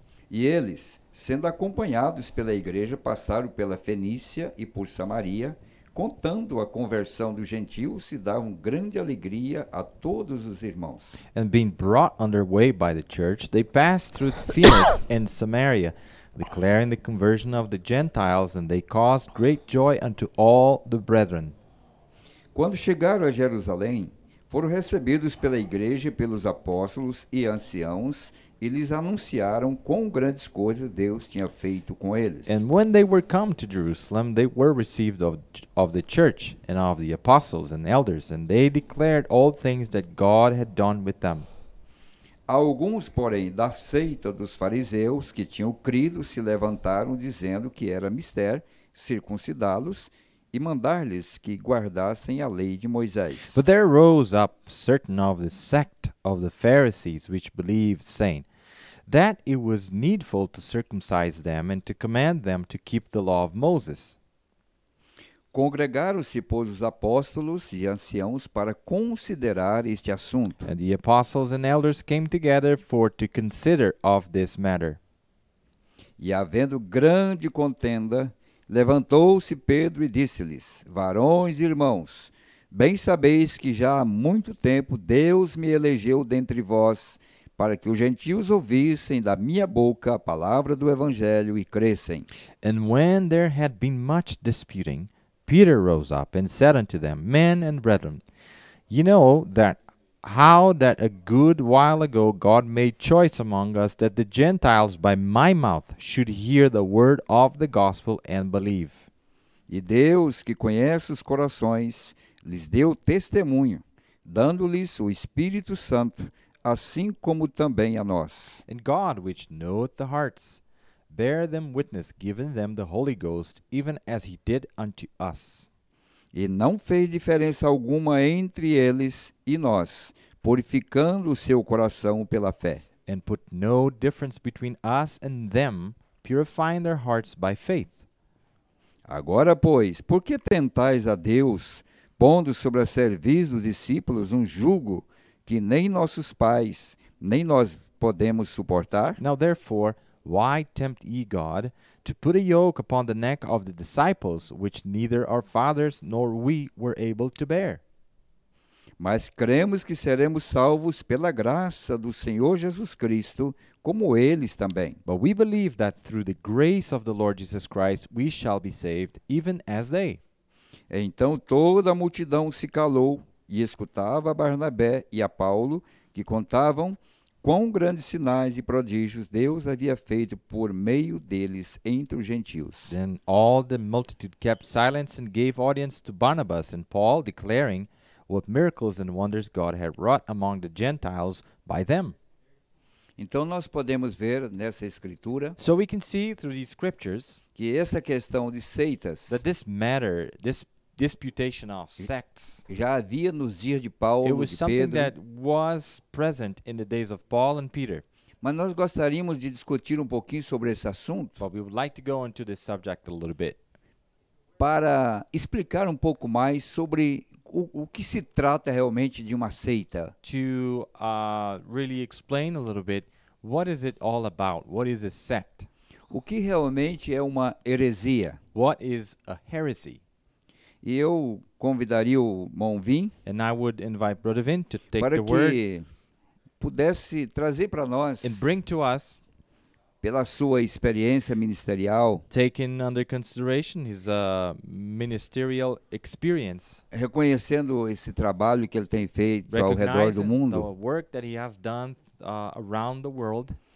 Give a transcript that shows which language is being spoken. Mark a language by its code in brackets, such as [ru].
[pt] E eles, sendo acompanhados pela igreja, passaram pela Fenícia e por Samaria, contando a conversão dos gentios, e davam grande alegria a todos os irmãos. [en] And being brought underway by the church, they passed through Phoenicia and Samaria, declaring the conversion of the Gentiles, and they caused great joy unto all the brethren. [pt] Quando chegaram a Jerusalém, foram recebidos pela igreja e pelos apóstolos e anciãos, e lhes anunciaram quão grandes coisas Deus tinha feito com eles. [en] And when they were come to Jerusalem, they were received of the church and of the apostles and elders, and they declared all things that God had done with them. [pt] Alguns, porém, da seita dos fariseus que tinham crido se levantaram, dizendo que era mister circuncidá-los e mandar-lhes que guardassem a lei de Moisés. [en] But there rose up certain of the sect of the Pharisees, which believed, saying, that it was needful to circumcise them and to command them to keep the law of Moses. [pt] Congregaram-se, pois, os apóstolos e anciãos para considerar este assunto. [en] And the apostles and elders came together for to consider of this matter. [pt] E havendo grande contenda, levantou-se Pedro e disse-lhes, varões e irmãos, bem sabeis que já há muito tempo Deus me elegeu dentre vós, para que os gentios ouvissem da minha boca a palavra do Evangelho e crescem. [en] And when there had been much disputing, Peter rose up and said unto them, men and brethren, ye know that how that a good while ago God made choice among us that the Gentiles by my mouth should hear the word of the gospel and believe. [pt] E Deus, que conhece os corações, lhes deu testemunho, dando-lhes o Espírito Santo, assim como também a nós. [en] And God, which knoweth the hearts, bear them witness, giving them the Holy Ghost, even as he did unto us. [pt] E não fez diferença alguma entre eles e nós, purificando o seu coração pela fé. [en] And put no difference between us and them, purifying their hearts by faith. [pt] Agora, pois, por que tentais a Deus, pondo sobre a cerviz dos discípulos um jugo que nem nossos pais, nem nós podemos suportar? [en] Now, therefore, why tempt ye God to put a yoke upon the neck of the disciples, which neither our fathers nor we were able to bear? [pt] Mas cremos que seremos salvos pela graça do Senhor Jesus Cristo, como eles também. [en] But we believe that through the grace of the Lord Jesus Christ we shall be saved, even as they. [pt] Então toda a multidão se calou e escutava a Barnabé e a Paulo, que contavam quão grandes sinais e prodígios Deus havia feito por meio deles entre os gentios. [en] Then all the multitude kept silence and gave audience to Barnabas and Paul, declaring what miracles and wonders God had wrought among the Gentiles by them. [pt] Então nós podemos ver nessa escritura, [en] so we can see through these scriptures, [pt] que essa questão de seitas, [en] that this matter, this disputation of sects, [pt] já havia nos dias de Paulo, [en] it was [pt] de [en] something [pt] Pedro, [en] that was present in the days of Paul and Peter. [pt] Mas nós gostaríamos de discutir um pouquinho sobre esse assunto. [en] But we would like to go into this subject a little bit. [pt] Para explicar um pouco mais sobre o que se trata realmente de uma seita. [en] To really explain a little bit, what is it all about? What is a sect? [pt] O que realmente é uma heresia? [en] What is a heresy? [pt] E eu convidaria o Monvin, [en] and I would invite Brother Vin to take [pt] para [en] the word, [pt] que pudesse trazer para nós, [en] and bring to us, [pt] pela sua experiência ministerial, [en] taking under consideration his ministerial experience, [pt] reconhecendo esse trabalho que ele tem feito ao redor do mundo, [en] the work that he has done around the world.